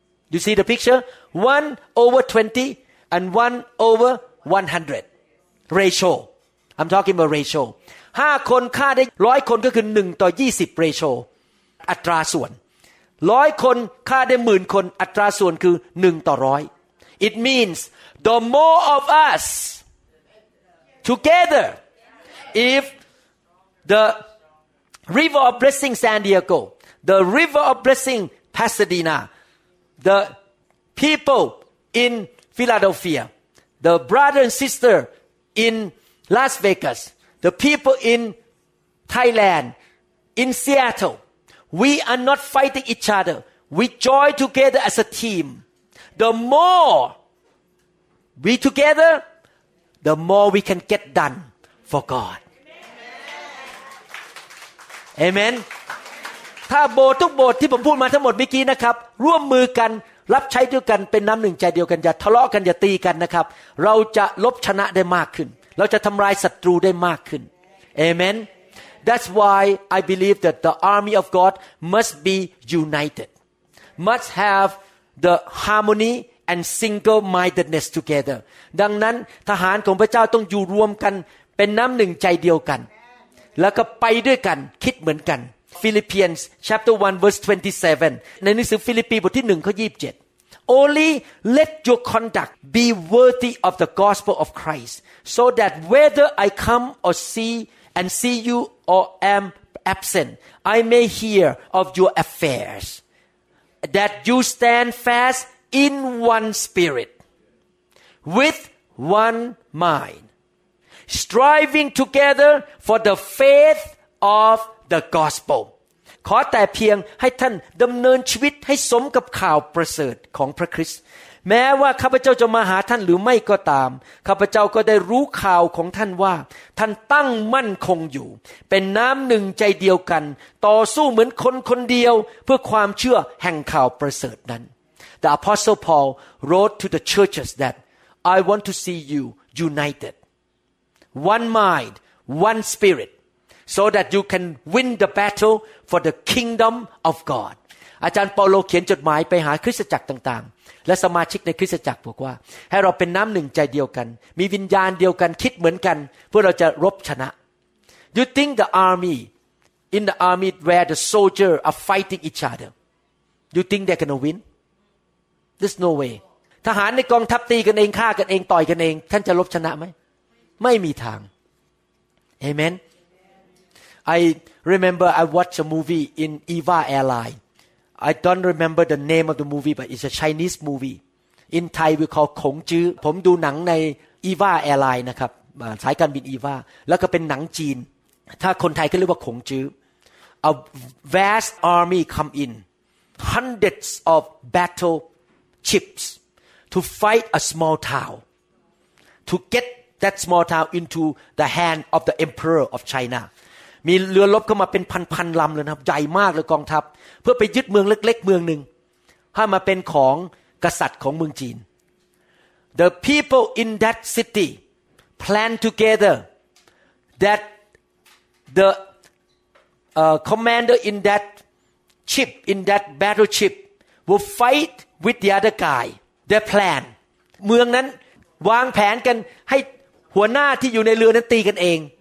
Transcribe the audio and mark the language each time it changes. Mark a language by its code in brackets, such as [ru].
[en] You see the picture? One over 20 and one over 100. Ratio. I'm talking about ratio. [th] 5คนฆ่าได้100คนก็คือ1ต่อ20 ratio. อัตราส่วน100คนฆ่าได้10,000คนอัตราส่วนคือ1ต่อ100. [en] It means the more of us together, if the river of blessing San Diego, the river of blessing Pasadena,The people in Philadelphia, the brother and sister in Las Vegas, the people in Thailand, in Seattle, we are not fighting each other. We join together as a team. The more we together, the more we can get done for God. Amen. Amen. [th] ถ้าโบสถ์ทุกโบสถ์ที่ผมพูดมาทั้งหมดเมื่อกี้นะครับร่วมมือกันรับใช้ด้วยกันเป็นน้ำหนึ่งใจเดียวกันอย่าทะเลาะกันอย่าตีกันนะครับเราจะลบชนะได้มากขึ้นเราจะทำลายศัตรูได้มากขึ้นเอเมน [en] That's why I believe that the army of God must be united must have the harmony and single-mindedness together [th] ดังนั้นทหารของพระเจ้าต้องอยู่รวมกันเป็นน้ำหนึ่งใจเดียวกัน แล้วก็ไปด้วยกันคิดเหมือนกัน [en] Philippians chapter 1 verse 27 [th] ในหนังสือฟิลิปปีบทที่1ข้อ27 [en] Only let your conduct be worthy of the gospel of Christ so that whether I come or see and see you or am absent I may hear of your affairs that you stand fast in one spirit with one mind striving together for the faith of the gospel [th] ขอแต่เพียงให้ท่านดำเนินชีวิตให้สมกับข่าวประเสริฐของพระคริสต์แม้ว่าข้าพเจ้าจะมาหาท่านหรือไม่ก็ตามข้าพเจ้าก็ได้รู้ข่าวของท่านว่าท่านตั้งมั่นคงอยู่เป็นน้ำหนึ่งใจเดียวกันต่อสู้เหมือนคนคนเดียวเพื่อความเชื่อแห่งข่าวประเสริฐนั้น [en] The Apostle Paul wrote to the churches that I want to see you united one mind one spiritso that you can win the battle for the kingdom of God. [th] อาจารย์เปาโลเขียนจดหมายไปหาคริสตจักรต่างๆและสมาชิกในคริสตจักรบอกว่าให้เราเป็นน้ำหนึ่งใจเดียวกันมีวิญญาณเดียวกันคิดเหมือนกันเพื่อเราจะรบชนะ [en] You think the army, in the army where the soldiers are fighting each other, you think they're gonna win? There's no way. [th] ทหารในกองทัพตีกันเองฆ่ากันเองต่อยกันเองท่านจะรบชนะไหมไม่มีทาง [en] Amen. I remember I watched a movie in EVA Airline. I don't remember the name of the movie, but it's a Chinese movie. In Thai, we call Khong Chư. [th] ผมดูหนังใน EVA Airline นะครับสายการบิน EVA แล้วก็เป็นหนังจีนถ้าคนไทยก็เรียกว่าขงจื้อ [en] A vast army come in. hundreds of battle ships to fight a small town to get that small town into the hand of the emperor of China [th] มีเรือรบเข้ามาเป็นพันๆลำเลยนะครับใหญ่มากเลยกองทัพเพื่อไปยึดเมืองเล็กๆเมืองนึงให้มาเป็นของกษัตริย์ของเมืองจีน [en] The people in that city planned together that the commander in that ship in that battleship will fight with the other guy their plan [th] เมืองนั้นวางแผนกันให้หัวหน้าที่อยู่ในเรือนั้นตีกันเอง